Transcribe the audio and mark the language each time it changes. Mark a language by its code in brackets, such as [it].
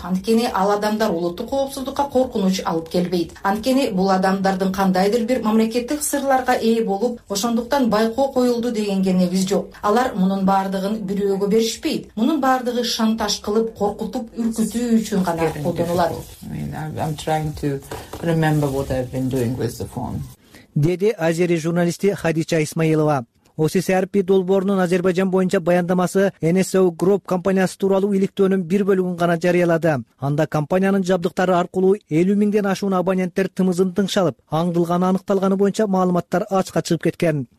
[ky] Анткени ал адамдар улуттук коопсуздукка коркунуч алып келбейт. Анткени бул адамдардын кандайдыр бир мамлекеттик сырларга ээ болуп, ошондуктан байкоо коюлду дегенге негиз жок. Алар мунун баардыгын бирөөгө беришпейт. Мунун баардыгы шантаж кылып, коркутуп, үркүтүү үчүн гана колдонулат. [en] I'm trying to remember what I've been doing with the phone. [ky] Деди азери журналисти Хадича Исмаилова. OSCRP долбоорунун Азербайжан боюнча баяндамасы NSO Group компаниясы тууралуу иликтөөнүн бир бөлүгүн гана жарыялады. Анда компаниянын жабдыктары аркылуу 50 миңден ашуун абоненттер тымызын тыңшалып, аңдылганы аныкталганы боюнча маалыматтар ачыкка чыгып кеткен.